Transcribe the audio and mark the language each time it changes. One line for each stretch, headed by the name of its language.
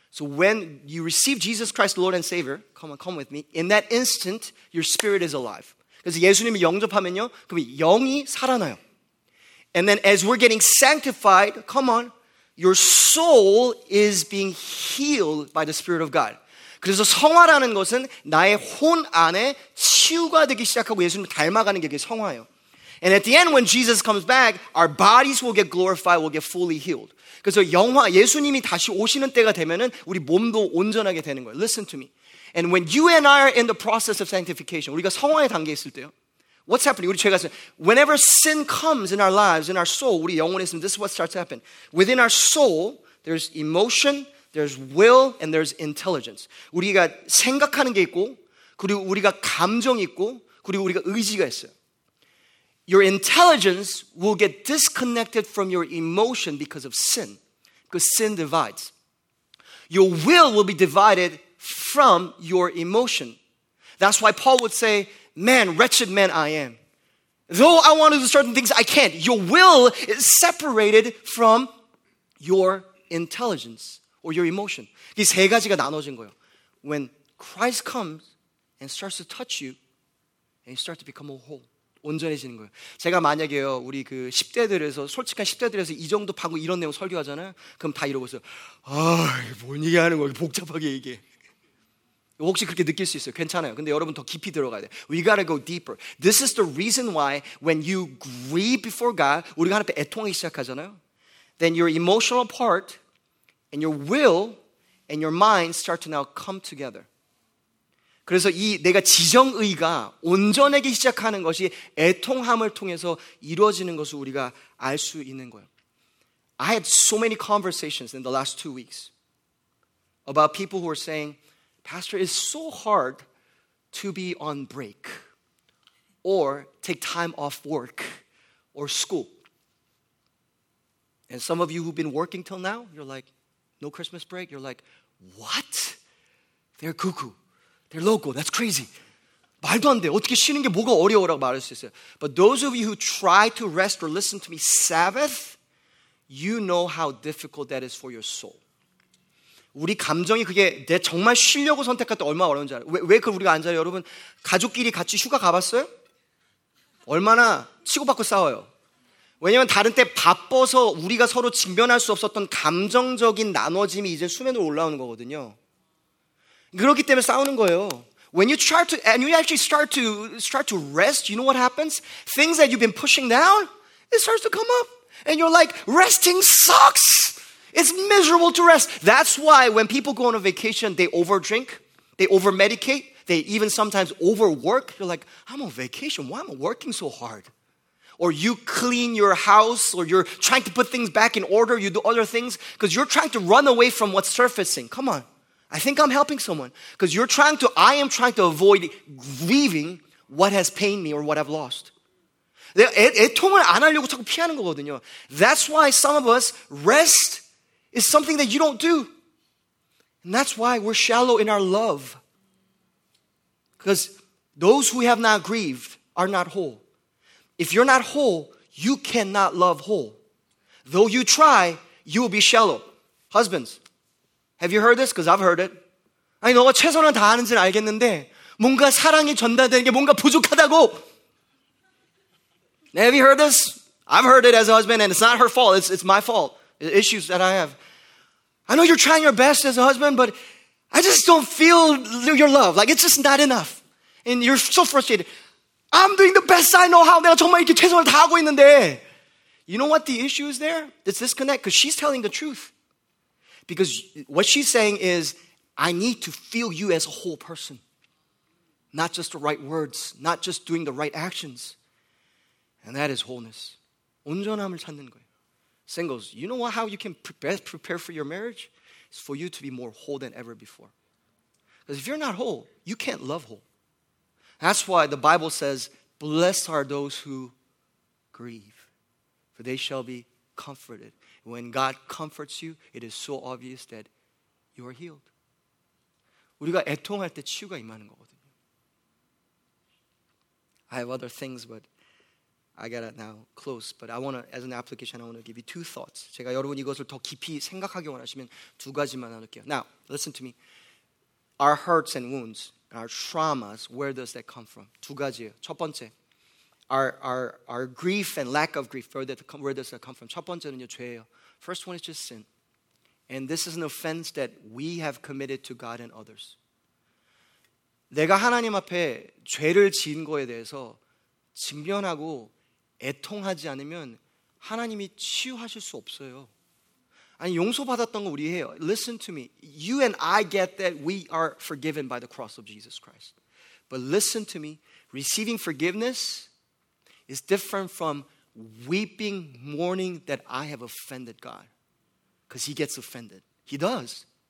English: So when you receive Jesus Christ, Lord and Savior, come on, come with me, in that instant, your spirit is alive.
Korean: 그래서 예수님이 영접하면요, 그럼 영이 살아나요.
English: And then as we're getting sanctified, come on, your soul is being healed by the Spirit of God.
Korean: 그래서 성화라는 것은 나의 혼 안에 치유가 되기 시작하고 예수님을 닮아가는 게 그게 성화예요.
English: And at the end, when Jesus comes back, our bodies will get glorified, will get fully healed.
Korean: 그래서 영화 예수님이 다시 오시는 때가 되면은 우리 몸도 온전하게 되는 거예요.
English: Listen to me. And when you and I are in the process of sanctification,
Korean: 우리가 성화의 단계에 있을 때요,
English: What's happening?
Korean: 우리 죄가 있으면,
English: whenever sin comes in our lives, in our soul,
Korean: 우리 영혼에 있으면,
English: this is what starts to happen. Within our soul, there's emotion, there's will, and there's intelligence.
Korean: 우리가 생각하는 게 있고, 그리고 우리가 감정이 있고, 그리고 우리가 의지가 있어요.
English: Your intelligence will get disconnected from your emotion because of sin. Because sin divides. Your will be divided from your emotion. That's why Paul would say, man, wretched man I am. Though I want to do certain things, I can't. Your will is separated from your intelligence or your emotion.
Korean: 이 세 가지가 나눠진 거예요.
English: When Christ comes and starts to touch you, and you start to become whole.
Korean: 온전해지는 거예요. 제가 만약에요, 우리 그 10대들에서, 솔직한 10대들에서 이 정도 방금 이런 내용 설교하잖아요? 그럼 다 이러고 있어요. 뭔 얘기 하는 거야? 복잡하게 얘기해. 혹시 그렇게 느낄 수 있어요. 괜찮아요. 근데 여러분 더 깊이 들어가야 돼.
English: We gotta go deeper. This is the reason why when you grieve before God,
Korean: 우리가 하나님께 애통하기 시작하잖아요?
English: Then your emotional part and your will and your mind start to now come together.
Korean: 그래서 이 내가 지정의가 온전하게 시작하는 것이 애통함을 통해서 이루어지는 것을 우리가 알 수 있는 거예요.
English: I had so many conversations in the last 2 weeks about people who are saying, Pastor, it's so hard to be on break or take time off work or school. And some of you who've been working till now, you're like, no Christmas break? You're like, what? They're cuckoo. They're local. That's crazy.
Korean: 말도 안 돼. 어떻게 쉬는 게 뭐가 어려워라고 말할 수 있어요. But those of you who try to rest or listen to me Sabbath, you know how difficult that is for your soul. 우리 감정이 그게 내 정말 쉬려고 선택할 때 얼마나 어려운지 알아요. 왜 그걸 우리가 안 자요, 여러분? 가족끼리 같이 휴가 가봤어요? 얼마나 치고받고 싸워요. 왜냐면 다른 때 바빠서 우리가 서로 직면할 수 없었던 감정적인 나눠짐이 이제 수면으로 올라오는 거거든요. 그렇기 때문에 싸우는 거예요.
English: When you try to and you actually start to rest, you know what happens? Things that you've been pushing down, it starts to come up. And you're like, resting sucks. It's miserable to rest. That's why when people go on a vacation, they overdrink, they overmedicate, they even sometimes overwork. You're like, I'm on vacation. Why am I working so hard? Or you clean your house or you're trying to put things back in order, you do other things because you're trying to run away from what's surfacing. Come on. I think I'm helping someone because you're trying to, I am trying to avoid grieving what has pained me or what I've lost.
Korean: 애통을 안 하려고 자꾸 피하는 거거든요.
English: That's why some of us, rest is something that you don't do. And that's why we're shallow in our love. Because those who have not grieved are not whole. If you're not whole, you cannot love whole. Though you try, you will be shallow. Husbands, have you heard this? Because I've heard it.
Korean: 아니, 너가 최선을 다하는지는 알겠는데 뭔가 사랑이 전달되는 게 뭔가 부족하다고.
English: Now, have you heard this? I've heard it as a husband, and it's not her fault. It's my fault. The issues that I have. I know you're trying your best as a husband, but I just don't feel your love. Like, it's just not enough. And you're so frustrated. I'm doing the best I know how.
Korean: 내가 정말 이렇게 최선을 다하고 있는데.
English: You know what the issue is there? It's disconnect. Because she's telling the truth. Because what she's saying is, I need to feel you as a whole person. Not just the right words. Not just doing the right actions. And that is wholeness.
Korean: 온전함을 찾는 거예요.
English: Singles, you know how you can prepare for your marriage? It's for you to be more whole than ever before. Because if you're not whole, you can't love whole. That's why the Bible says, blessed are those who grieve, for they shall be comforted. When God comforts you, it is so obvious that you are healed.
Korean: 우리가 애통할 때 치유가 임하는 거거든요.
English: I have other things, but I gotta now close. But I wanna, as an application, I wanna give you 2 thoughts.
Korean: 제가 여러분 이것을 더 깊이 생각하기 원하시면 두 가지만 나눌게요.
English: Now, listen to me. Our hurts and wounds, our traumas, where does that come from?
Korean: 두 가지예요. 첫 번째.
English: Our grief and lack of grief, where does that come from?
Korean: 첫 번째는요, 죄예요.
English: First one is just sin. And this is an offense that we have committed to God and others.
Korean: 내가 하나님 앞에 죄를 지은 거에 대해서 직면하고 애통하지 않으면 하나님이 치유하실 수 없어요. 아니, 용서받았던 거 우리 해요.
English: Listen to me. You and I get that we are forgiven by the cross of Jesus Christ. But listen to me. Receiving forgiveness is different from weeping, mourning that I have offended God. Because he gets offended. He does.